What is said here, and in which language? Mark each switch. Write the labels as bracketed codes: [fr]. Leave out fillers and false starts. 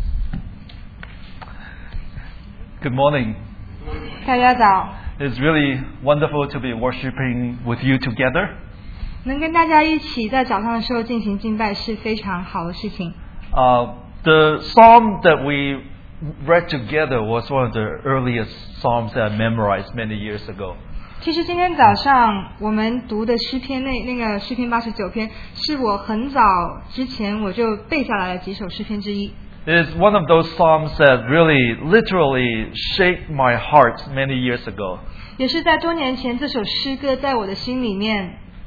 [zh] 感谢大家对我们一直以来的祷告的支持。 [en] Good morning. [zh] 大家早。 [en] It's really wonderful to be worshiping with you together. [zh] 能跟大家一起在早上的时候进行敬拜是非常好的事情。 [en] The psalm that we read together was one of the earliest psalms that I memorized many years ago. [zh] 其实今天早上我们读的诗篇那个诗篇89篇，是我很早之前我就背下来的几首诗篇之一。 [en] It's one of those psalms that really literally shaped my heart many years ago. [zh] 也是在多年前，这首诗歌在我的心里面